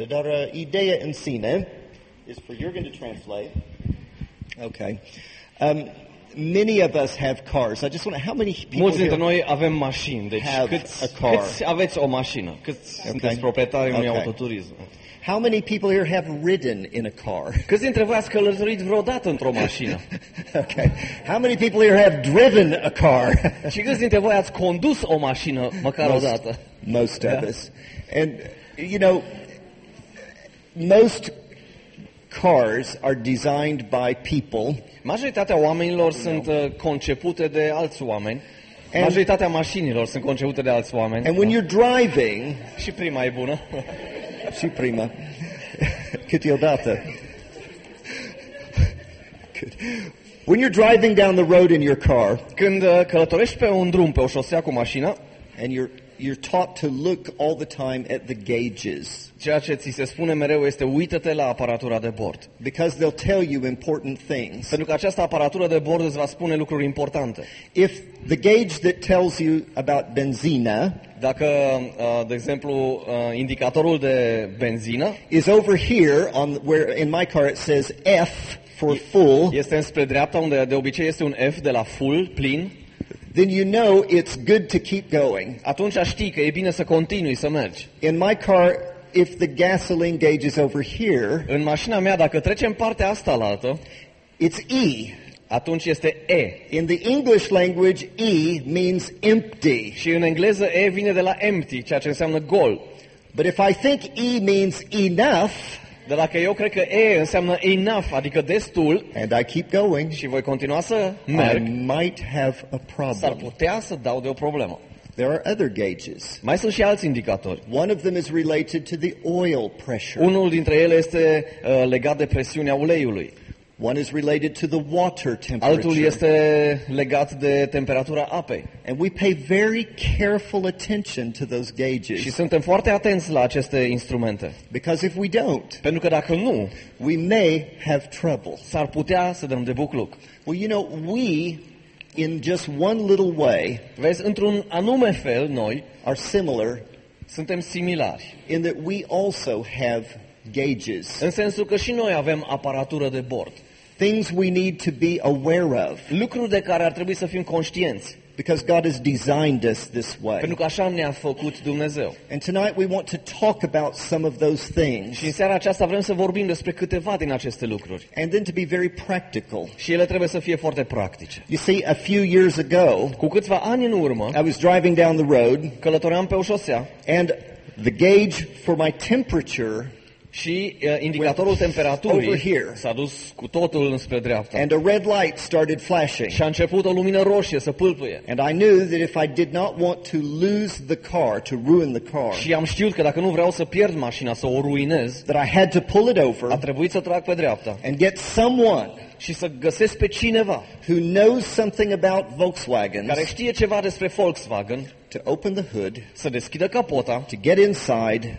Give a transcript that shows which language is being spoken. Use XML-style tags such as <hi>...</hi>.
<ro>Dar ideea în sine...</ro> <en>is for Jürgen to translate. Okay. Many of us have cars. I just wonder how many people.</en> <ro>Mulți dintre noi avem mașini. Deci câți aveți o mașină? Câți sunteți proprietari unui autoturism?</ro> <en>How many people here have ridden in a car?</en> <ro>Câți dintre voi ați călătorit vreodată într-o mașină?</ro> <en>Okay. How many people here have driven a car?</en> <ro>Și câți dintre voi ați condus o mașină măcar o dată?</ro> <en>Most of us. And you know, most cars are designed by people.</en> <ro>Majoritatea oamenilor sunt concepute de alți oameni. Majoritatea mașinilor sunt concepute de alți oameni.</ro> <en>And when you're driving,</en> <ro>și prima e bună. Și prima. Câteodată.</ro> <en>When you're driving down the road in your car,</en> <ro>când călătorești pe un drum, pe o șosea cu mașina,</ro> <en>and you're taught to look all the time at the gauges.</en> <ro>Ceea ce ți se spune mereu este uită-te la aparatura de bord.</ro> <en>Because they'll tell you important things.</en> <ro>Pentru că această aparatură de bord îți va spune lucruri importante.</ro> <en>If the gauge that tells you about benzina,</en> <ro>dacă de exemplu indicatorul de benzină</ro> <en>is over here on where in my car it says F for full.</en> <ro>Este înspre dreapta unde de obicei este un F de la full, plin.</ro> <en>Then you know it's good to keep going.</en> <ro>Atunci știi că e bine să continui să mergi.</ro> <en>In my car, if the gasoline gauge is over here,</en> <ro>în mașina mea, dacă trecem partea asta la altă,</ro> <en>it's E.</en> <ro>Atunci este E.</ro> <en>In the English language, E means empty.</en> <ro>Și în engleză E vine de la empty, ceea ce înseamnă gol.</ro> <en>But if I think E means enough,</en> <ro>dar dacă eu cred că E înseamnă enough, adică destul,</ro> <en>and I keep going,</en> <ro>și voi continua să merg,</ro> <en>I might have a problem.</en> <ro>S-ar putea să dau de o problemă.</ro> <en>There are other gauges.</en> <ro>Mai sunt și alți indicatori.</ro> <en>One of them is related to the oil pressure.</en> <ro>Unul dintre ele este legat de presiunea uleiului.</ro> <en>One is related to the water temperature.</en> <ro>Altul este legat de temperatura apei.</ro> <en>And we pay very careful attention to those gauges.</en> <ro>Și suntem foarte atenți la aceste instrumente.</ro> <en>Because if we don't,</en> <ro>pentru că dacă nu,</ro> <en>we may have trouble.</en> <ro>S-ar putea să dăm de bucluc.</ro> <en>Well, you know, we in just one little way,</en> <ro>vezi, într-un anume fel noi</ro> <en>are similar.</en> <ro>Suntem similari.</ro> <en>In that we also have gauges.</en> <ro>În sensul că și noi avem aparatură de bord.</ro> <en>Things we need to be aware of.</en> <ro>Lucruri de care ar trebui să fim conștienți.</ro> <en>Because God has designed us this way.</en> <ro>Pentru că așa ne-a făcut Dumnezeu.</ro> <en>And tonight we want to talk about some of those things.</en> <ro>Și în seara aceasta vrem să vorbim despre câteva din aceste lucruri.</ro> <en>And then to be very practical.</en> <ro>Și ele trebuie să fie foarte practice.</ro> <en>You see, a few years ago,</en> <ro>cu câțiva ani în urmă,</ro> <en>I was driving down the road,</en> <ro>călătoream pe o șosea,</ro> <en>and the gauge for my temperature,</en> <ro>și indicatorul temperaturii s-a dus cu totul înspre dreapta.</ro> <en>And a red light started flashing.</en> <ro>Și a început o lumină roșie să pâlpâie.</ro> <en>And I knew that if I did not want to lose the car, to ruin the car.</en> <ro>Și am știut că dacă nu vreau să pierd mașina, să o ruinez,</ro> <en>that I had to pull it over.</en> <ro>A trebuit să trag pe dreapta.</ro> <en>And get someone,</en> <ro>și să găsesc pe cineva,</ro> <en>who knows something about Volkswagens,</en> <ro>care știe ceva despre Volkswagen,</ro> <en>to open the hood,</en> <ro>să deschidă capota,</ro> <en>to get inside,</en>